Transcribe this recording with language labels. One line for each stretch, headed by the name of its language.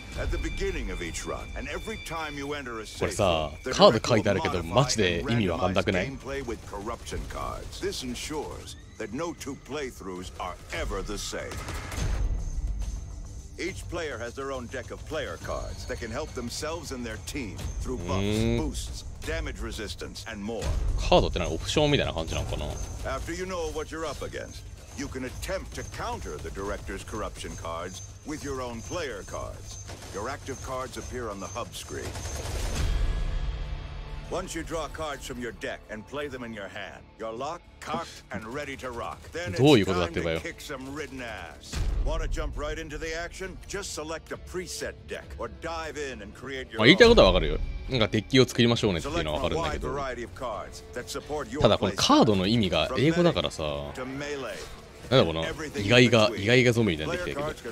English: At the beginning of each run, and every time you enter a safe,
Japanese: これさ、カード書いてあるけど、マジで意味わかんなくない？
English: Gameplay with corruption cards. This ensures that no two playthroughs are ever the same. Each player has their own deck of player cards that can help themselves and their team through buffs, boosts, damage resistance, and more.
Japanese: カードってなんかオプションみたいな感じなのかな?
English: After you know what you're up against, you can attempt to counter the director's corruption cards with your own player cards. Your active cards appear on the hub screen. Once you draw cards from your deck and play them in your hand, you're locked, cocked, and ready to rock. Then it's time to kick some ridden ass. Want to jump right into the action? Just select a preset deck or dive in and create your own.
Japanese: 言いたいことはわかるよ。なんかデッキを作りましょうねっていうのはわかるんだけど。ただこのカードの意味が英語だからさ。なんだこの意外がゾンビみたいなデッキだけど。